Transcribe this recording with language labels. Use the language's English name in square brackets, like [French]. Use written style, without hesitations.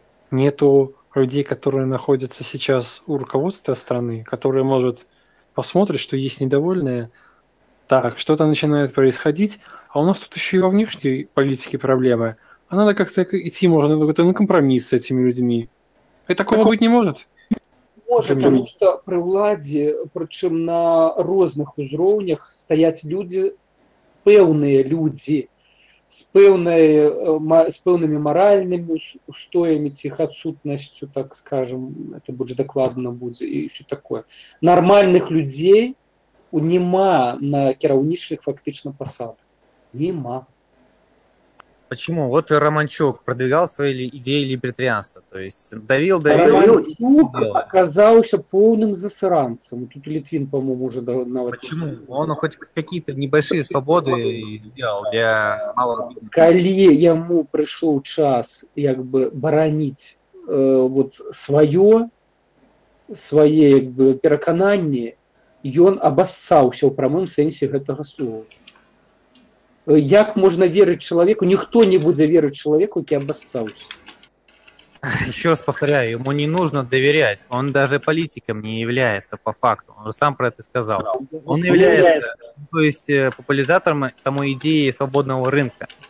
[Russian] Нету людей, которые находятся сейчас у руководства страны, которые могут посмотреть, что есть недовольные. Так, что-то начинает происходить. А у нас тут еще и во внешней политике проблемы. А надо как-то идти, можно какой-то на компромисс с этими людьми. И такого быть не может. Ну, [Belarusian] Можа, таму што пры ўладзе, прычым на розных узроўнях, стаяць людзі, пэўныя людзі, з пэўнымі маральнымі устоямі ці адсутнасцю, так скажам, это будзе дакладна будзе і ўсё такое. Нармальных людзей няма на кіраўнічых фактычна пасадах. Няма. [Russian] Почему? Вот Романчук продвигал свои идеи либертарианства, то есть давил. Романчук оказался полным засранцем. Тут Литвин, по-моему, уже на вот. Почему? Он хоть какие-то небольшие свободы сделал для малого бизнеса. Коли ему пришел час, как бы баранить вот свое как бы переконание, и он обоссался в прямом смысле этого слова. [Belarusian] Як можна верыць чалавеку? Ніхто не будзе верыць чалавеку, які абасцаўся. [Russian] Еще раз повторяю, ему не нужно доверять. Он даже политиком не является по факту. Он сам про это сказал. Он является, то есть, популяризатором самой идеи свободного рынка.